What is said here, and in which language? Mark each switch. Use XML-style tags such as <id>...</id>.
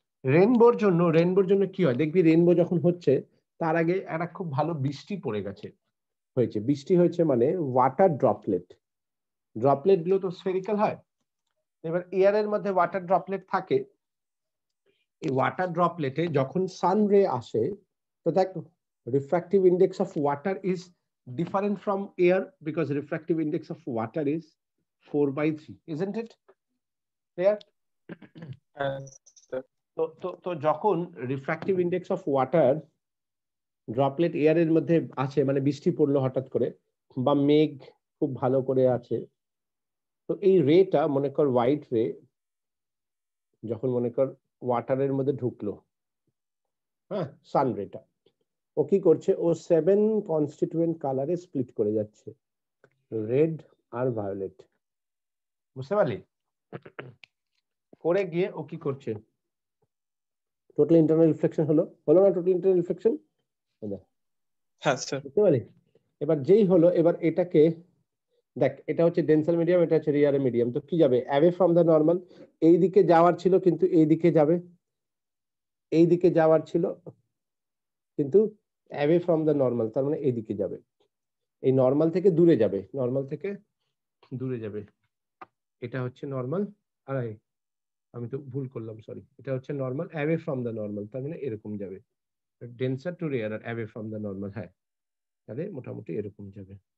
<bn>রেইনবোর জন্য, রেইনবোর জন্য কি হয় দেখবি, রেইনবো যখন হচ্ছে তার আগে একটা খুব ভালো বৃষ্টি পড়ে গেছে, হয়েছে বৃষ্টি হয়েছে মানে ওয়াটার ড্রপলেট, ড্রপলেট গুলো তো স্ফেরিক্যাল হয়, এবার এয়ারের মধ্যে ওয়াটার ড্রপলেট থাকে, এই ওয়াটার ড্রপলেটে যখন সান রে আসে তো দেখ</bn> <en>refractive index of water is</en> <bn>different from air, because refractive index of water is</bn> <en>4 by 3, isn't it? Clear?</en> <bn>So jokon refractive index of water droplet air er moddhe ache mane bishti porlo hotat kore ba megh khub bhalo kore ache to ei ray ta mone kor white ray jokon mone kor water er moddhe dhuklo ha sun ray ta o ki korche o 7 constituent color e split kore jacche red ar violet bujhte parli kore giye o ki korche total internal reflection হলো হলো না total internal reflection হ্যাঁ sir বুঝতে পারলি এবার যেই হলো এবার এটাকে দেখ এটা হচ্ছে ডেনসাল মিডিয়াম এটা হচ্ছে রিয়ার মিডিয়াম তো কি যাবে</bn> <en>away from the normal</en> <bn>এই দিকে যাওয়ার ছিল কিন্তু এই দিকে যাবে এই দিকে যাওয়ার ছিল কিন্তু</bn> <en>away from the normal</en> <bn>তার মানে এই দিকে যাবে এই নরমাল থেকে দূরে যাবে নরমাল থেকে দূরে যাবে এটা হচ্ছে নরমাল আর এই আমি তো ভুল করলাম সরি এটা হচ্ছে normal away from the normal তার মানে এরকম যাবে</bn> <en>denser to rare away from the normal</en> <bn>হ্যাঁ তাহলে মোটামুটি এরকম যাবে</bn>